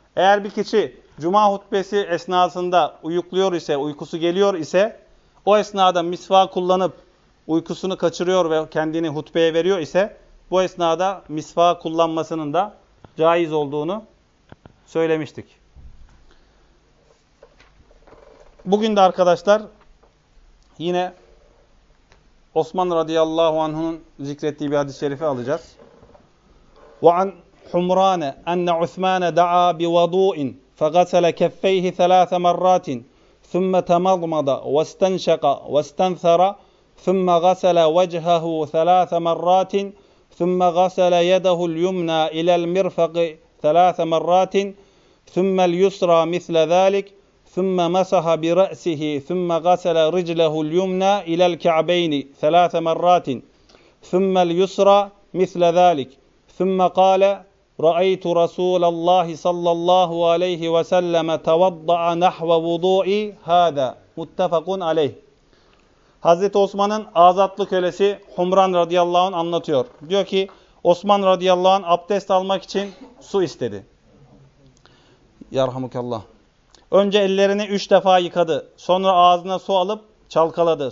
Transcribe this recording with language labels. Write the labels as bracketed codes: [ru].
[tr] Eğer bir kişi cuma hutbesi esnasında uyukluyor ise, uykusu geliyor ise, o esnada misvak kullanıp uykusunu kaçırıyor ve kendini hutbeye veriyor ise, bu esnada misvak kullanmasının da caiz olduğunu söylemiştik. Bugün de arkadaşlar yine Osman radıyallahu anh'un zikrettiği bir hadis-i şerifi alacağız. [ar] وَعَنْ حُمْرَانَ أَنَّ عُثْمَانَ دَعَى بِوَضُوءٍ فَغَسَلَ كَفَّيْهِ ثَلَاثَ مَرَّاتٍ ثُمَّ تَمَضْمَضَ وَاسْتَنْشَقَ وَاسْتَنْثَرَ ثُمَّ غَسَلَ وَجْهَهُ ثَلَاثَ مَرَّاتٍ ثُمَّ غَسَلَ يَدَهُ الْيُمْنَى إِلَى الْمِرْفَقِ ثَلَاثَ مَرَّاتٍ ثُمَّ الْيُسْرَى مِثْلَ ذَلِكَ ثم مسح برأسه ثم غسل رجله اليمنى إلى الكعبين ثلاث مرات ثم اليسرى مثل ذلك ثم قال رأيت رسول الله صلى الله عليه وسلم توضأ نحو وضوئي هذا متفق عليه. [tr] Hazreti Osman'ın azatlı kölesi Humran radıyallahu anh anlatıyor. Diyor ki Osman radıyallahu anh abdest almak için su istedi. Yarhamukallah. Önce ellerini 3 defa yıkadı. Sonra ağzına su alıp çalkaladı.